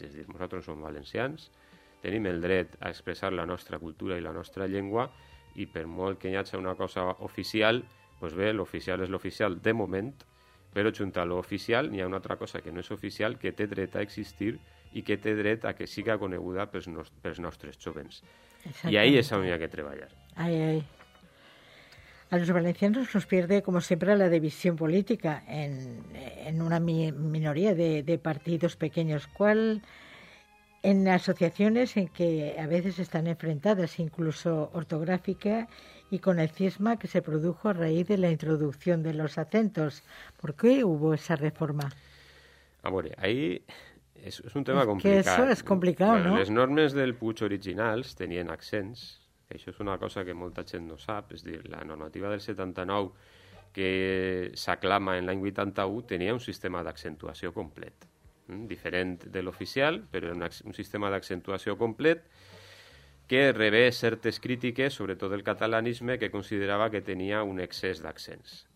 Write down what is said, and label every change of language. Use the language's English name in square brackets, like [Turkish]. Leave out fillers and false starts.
[Catalan] És a dir, nosaltres som valencians, tenim el dret a expressar la nostra cultura i la nostra llengua i per molt que hi hagi una cosa oficial, doncs bé, l'oficial és l'oficial de moment, però junt a l'oficial hi ha una altra cosa que no és oficial, que té dret a existir i que té dret a que siga coneguda pels nostres joves. I ahí és on hi ha que treballar. Ai. [Spanish] A los valencianos nos pierde, como siempre, la división política en una minoría de partidos pequeños. ¿Cuál en asociaciones en que a veces están enfrentadas, incluso ortográfica y con el cisma que se produjo a raíz de la introducción de los acentos? ¿Por qué hubo esa reforma? Amor, ahí es un tema complicado. Que eso es complicado, bueno, ¿no? Las normas del Puig originals tenían accents. [Catalan] Això és una cosa que molta gent no sap, és a dir, la normativa del 79 que s'aclama en l'any 81 tenia un sistema d'accentuació complet. diferent de l'oficial, però un sistema d'accentuació complet que rebé certes crítiques, sobretot del catalanisme, que considerava que tenia un excés d'accents.